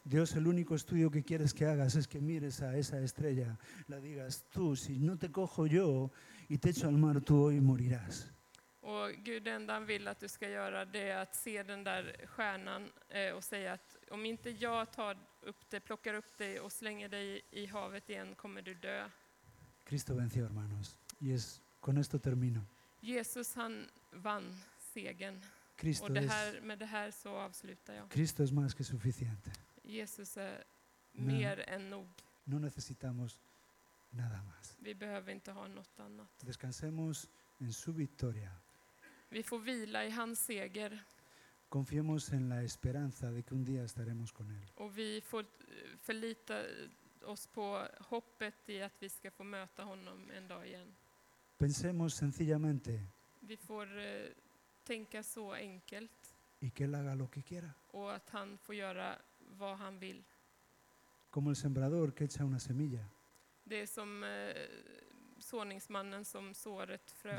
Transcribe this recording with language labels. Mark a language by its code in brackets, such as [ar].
[es] Dios, el único estudio que quieres que hagas es que mires a esa estrella, la digas tú, si no te cojo yo y te echo al mar tú hoy morirás. [sv] Och Gud enda han vill att du ska göra det att se den där stjärnan och säga att om inte jag tar upp dig, plockar upp dig och slänger dig i havet igen kommer du dö. [es] Cristo venció, hermanos. Y es con esto termino. [sv] Jesus han vann segern. Och med det här så avslutar jag. [es] Cristo es más que suficiente. [sv] Jesus är mer än nog. [es] No necesitamos nada más. [sv] Vi behöver inte ha något annat. [es] Descansemos en su victoria. [sv] Vi får vila i hans seger. [es] Confiemos en la esperanza de que un día estaremos con él. [sv] Och vi får förlita oss på hoppet i att vi ska få möta honom en dag igen. [es] Pensemos sencillamente. [sv] Vi får tänka så enkelt. [es] Y que él haga lo que quiera. [sv] Och att han får göra vad han vill. [es] Como el sembrador que echa una semilla. [sv] Det är som såningsmannen som sår ett frö.